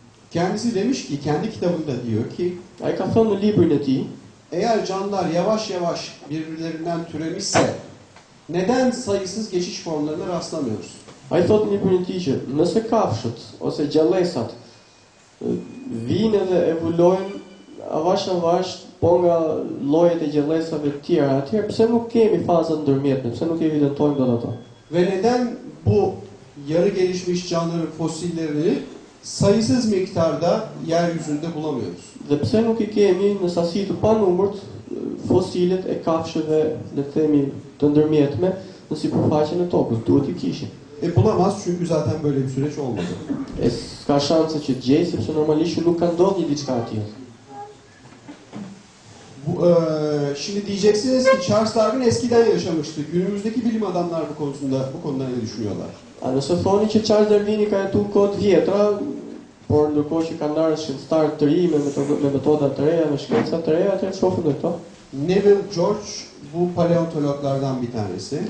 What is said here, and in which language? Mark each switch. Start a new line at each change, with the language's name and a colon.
Turkish: Kendisi demiş ki, kendi kitabında diyor ki,
Albanian: ay ka thonë në librin e tij,
Turkish: eğer canlılar yavaş yavaş birbirlerinden türemişse, neden sayısız geçiş formlarına rastlamıyoruz?
Albanian: Ay thotë në librin e tij që, nëse kafshët ose gjallesat vinë dhe evolojnë avash avash po nga llojet e gjallesave të tjera, atëherë pse nuk kemi faza ndërmjetme, pse nuk evidentojmë dot ato?
Turkish: Ve neden bu yarı gelişmiş canlıların fosilleri sayısız miktarda yeryüzünde bulamıyoruz?
Albanian: Dhe pse nuk i kemi në sasi të panumërt fosilet e kafshëve, le të themi, të ndërmjetme në sipërfaqen e tokës, duhet i kishim.
Turkish: E bulamaz çünkü zaten böyle bir süreç olmadı.
Albanian: E s'ka shanse që të gjej, sepse normalisht nuk ka ndodhur diçka e tillë.
Turkish: Bu, şimdi diyeceksiniz ki Charles Darwin eskiden yaşamıştı. Günümüzdeki bilim adamlar bu konusunda bu konuda ne düşünüyorlar?
Albanian: A nëse thoni që Charles Darwin ka jetu kod vjetra, por ndërkohë që kanë ndarë shkencëtarë të ri me metoda të reja, me shkenca të reja, atëherë shohim në këto.
Turkish: Neville George, bu paleontologlardan bir tanesi.